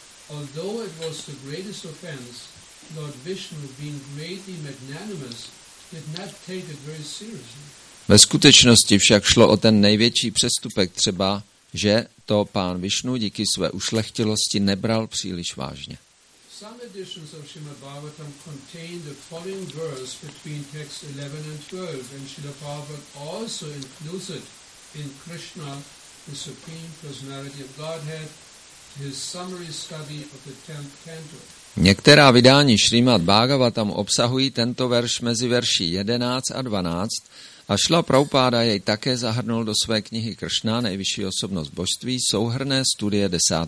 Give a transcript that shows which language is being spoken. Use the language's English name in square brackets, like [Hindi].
[English] Although it was the greatest offense, Lord Vishnu, being greatly magnanimous, did not take it very seriously. [Czech] Ve skutečnosti však šlo o ten největší přestupek, třeba, že to pán Vishnu díky své ušlechtilosti nebral příliš vážně. [English] Some editions of Srimad Bhagavatam contain the following verse between text 11 and 12, and Srila Prabhupada also includes it in Krishna, the Supreme Personality of Godhead, his summary study of the 10th canto. [Czech] Některá vydání Srimad Bhagavatam obsahují tento verš mezi verší 11 a 12 a Srila Prabhupada jej také zahrnul do své knihy Krishna, nejvyšší osobnost božství, souhrné studie 10.